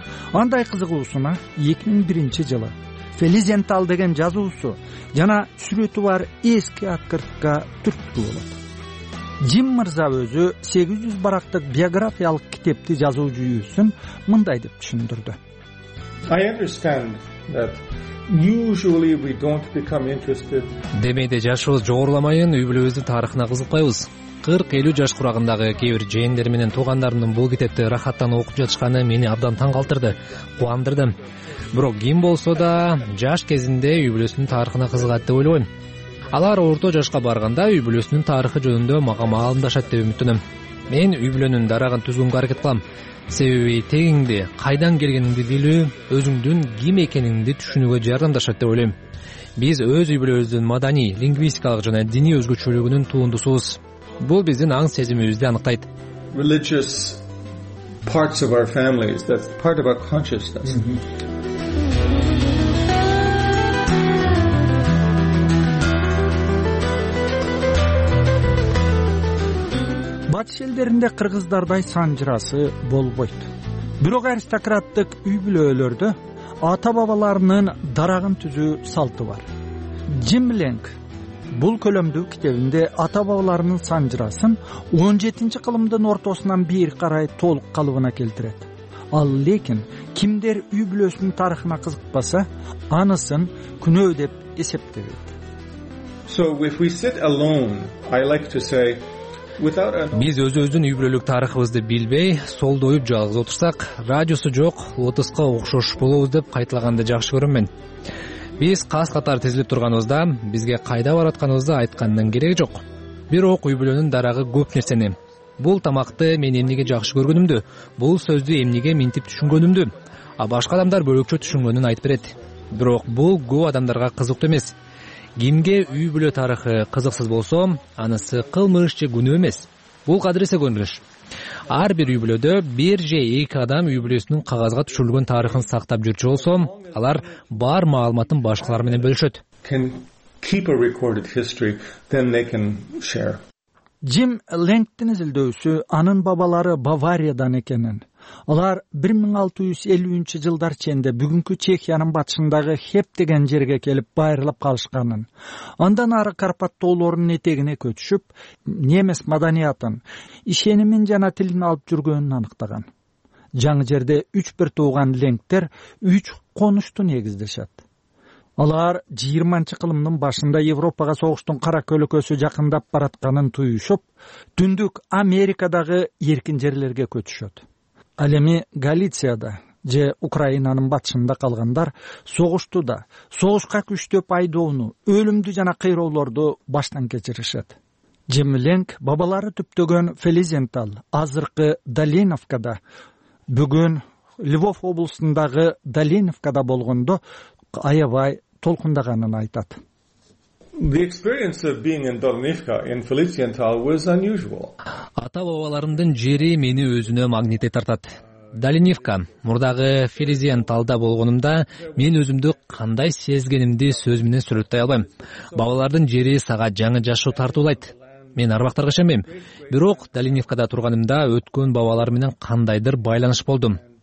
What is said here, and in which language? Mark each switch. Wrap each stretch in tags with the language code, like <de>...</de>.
<ky>Андай кызыгуусуна 2001 жылы Фелизентал деген жазуусу жана сүрөтү бар эски открытка түрткү болот. Джим мырза өзү 800 барактык биографиялык китепти жазуу жүйүсүн мындай деп түшүндүрдү.</ky> <en>I understand that usually we don't become interested.</en> <ky>Демейде жашыбыз жогорламайын, үй бүлөбүздүн тарыхына кызыкпайбыз. 40-50 жаш курагындагы кээ бир жээндер менен туугандарымдын бул китепти рахаттан окуп жатышканы мени абдан таң калтырды, кубандырды. Бирок ким болсо да жаш кезинде үй бүлөсүнүн тарыхына кызыгат деп ойлобойм. Алар орто жашка барганда үй бүлөсүнүн тарыхы жөнүндө мага маалымдашат деп үмүттөнөм. Мен үй бүлөнүн дарагын түзгөнгө аракет кылам. Себеби тегиңди, кайдан келгениңди билүү өзүңдүн ким экениңди түшүнүүгө жардамдашат деп ойлойм. Биз өз үй бүлөбүздүн маданий, лингвистикалык жана диний өзгөчөлүгүнүн туундусубуз. Бул биздин аң сезимибизди аныктайт.</ky> <en>Religious parts of our families, that's part of our consciousness.</en> <ky>Батыш элдеринде кыргыздардай санжырасы болбойт. Бирок аристократтык үй бүлөлөрдө ата бабаларынын дарагын түзүү салты бар. Джим Лэнг бул көлөмдүү китебинде ата бабаларынын санжырасын 17-нчи кылымдын ортосунан бери карай толук калыбына келтирет. Ал лекин кимдер үй бүлөсүнүн тарыхына кызыкпаса, анысын күнөө деп эсептебейт.</ky> <en>So if we sit alone, I like to say without a</en> <ky>биз өзүбүздүн үй бүлөлүк тарыхыбызды билбей, солдоюп жалгыз отурсак, радиосу жок лотоско окшош болобуз деп кайтылганды жакшы көрөм мен. Биз кас катар тезилип турганыбызда бизге кайда баратканыбызды айткандын кереги жок. Бирок үй бүлөнүн дарагы көп нерсени. Бул тамакты мен эмнеге жакшы көргөнүмдү, бул сөздү эмнеге минтип түшүнгөнүмдү, а башка адамдар бөлөкчө түшүнгөнүн айтып берет. Бирок бул көп адамдарга кызыктуу эмес. Кимге үй бүлө тарыхы кызыксыз болсо, анысы кылмыш же күнөө эмес. Бул кадыресе көнүлүш. Ар бир үй бүлөдө бир же эки адам үй бүлөсүнүн кагазга түшүрүлгөн тарыхын сактап жүрчү болсо, алар бар маалыматын башкалар менен бөлүшөт.</ky> <en>Keep a recorded history, then they can share.</en> <ky>Jim Lengton изилдөөсү анын бабалары Бавариядан экенин. Алар 1653 жылдар ченде бүгүнкү Чехиянын батышындагы Хеп деген жерге келип байырлап калышканын, андан ары Карпат тоолорунун этегине көчүшүп, немес маданиятын, ишенимин жана тилин алып жүргөнүн аныктаган. Жаңы жерде 3 бир тууган Лэнгтер 3 конушту негиздешет. Алар 20-чы кылымдын башында Европага согуштун кара көлөкөсү жакындап баратканын туюшуп, түндүк Америкадагы эркин жерлерге көчүшөт. Ал эми Галицияда же Украинанын батышында калгандар согушту да, согушка күчтөп айдоону, өлүмдү жана кыйроолорду баштан кечиришет. Джим Ленг бабалары түптөгөн Фелизентал, азыркы Долиновкада, бүгүн Львов облусундагы Долиновкада болгондо аябай толкундаганын айтат.</ky> <en>The experience of being in Dornivka in Felicienthal was unusual.</en> <ky>Ата бабаларымдын жери мени өзүнө магнитке тартат. Долиновка, мурдагы Фелизиенталда болгонумда мен өзүмдү кандай сезгенимди сөз менен сүрөттөй албайм. Бабалардын жери сага жаңы жашоо тартуулайт. Мен арбактарга ишенбейм, бирок Долиновкада турганымда өткөн бабалар менен кандайдыр байланыш болдум.</ky>